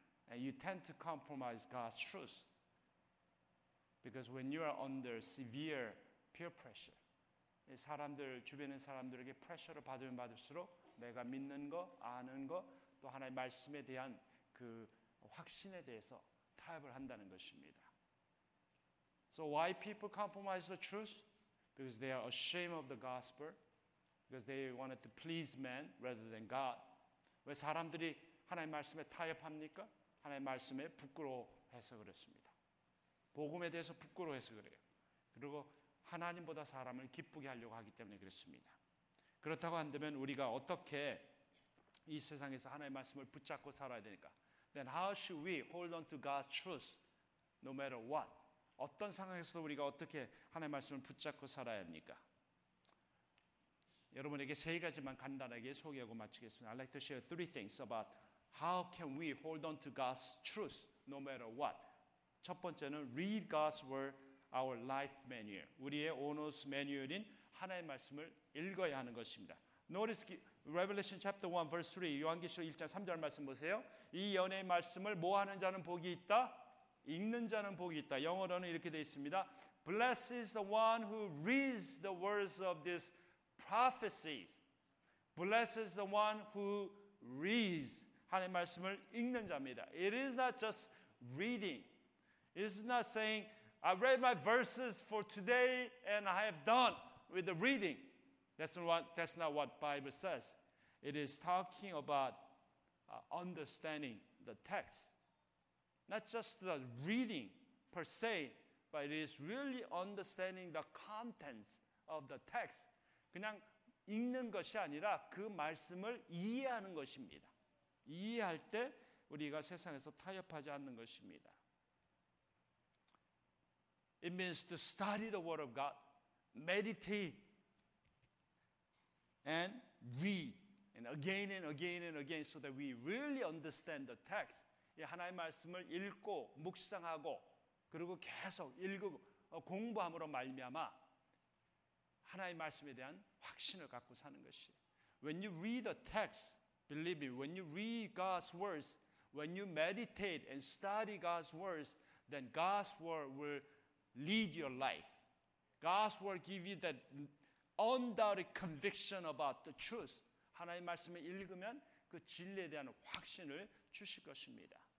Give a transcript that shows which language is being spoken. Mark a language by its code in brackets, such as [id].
[en] And you tend to compromise God's truth. Because when you are under severe peer pressure, [ko] 사람들 주변의 사람들에게 pressure를 받으면 받을수록 내가 믿는 거, 아는 거, 또 하나의 말씀에 대한 그 확신에 대해서 타협을 한다는 것입니다. [en] So why people compromise the truth? Because they are ashamed of the gospel. Because they wanted to please men rather than God. [ko] 왜 사람들이 하나님의 말씀에 타협합니까? 하나님의 말씀에 부끄러워해서 그렇습니다. 복음에 대해서 부끄러워해서 그래요. 그리고 하나님보다 사람을 기쁘게 하려고 하기 때문에 그렇습니다. 그렇다고 한다면 우리가 어떻게 이 세상에서 하나님의 말씀을 붙잡고 살아야 되니까? [en] Then how should we hold on to God's truth no matter what? [ko] 어떤 상황에서도 우리가 어떻게 하나님의 말씀을 붙잡고 살아야 합니까? 여러분에게 세 가지만 간단하게 소개하고 마치겠습니다. [en] I'd like to share three things about how can we hold on to God's truth no matter what. [ko] 첫 번째는 [en] read God's word, our life manual. [ko] 우리의 owner's manual인 하나님의 말씀을 읽어야 하는 것입니다. [en] Notice Revelation chapter 1 verse 3. [ko] 요한계시록 1장 3절 말씀 보세요. 이 예언의 말씀을 뭐 하는 자는 복이 있다. 읽는 자는 복이 있다. 영어로는 이렇게 되어 있습니다. [en] Blessed is the one who reads the words of this prophecies. Blessed is the one who reads. [ko] 하나님의 말씀을 읽는 자입니다. [en] It is not just reading. It's not saying, I read my verses for today and I have done with the reading. That's not what Bible says. It is talking about understanding the text. Not just the reading per se, but it is really understanding the contents of the text. [ko] 그냥 읽는 것이 아니라 그 말씀을 이해하는 것입니다. 이해할 때 우리가 세상에서 타협하지 않는 것입니다. [en] It means to study the word of God, meditate, and read, and again and again and again so that we really understand the text. [ko] 이 하나님의 말씀을 읽고 묵상하고 그리고 계속 읽고 공부함으로 말미암아 하나님의 말씀에 대한 확신을 갖고 사는 것이. [en] When you read the text, believe me, when you read God's words, when you meditate and study God's words, then God's word will lead your life. God's word give you that undoubted conviction about the truth. [ko] 하나님의 말씀을 읽으면 그 진리에 대한 확신을 주실 것입니다.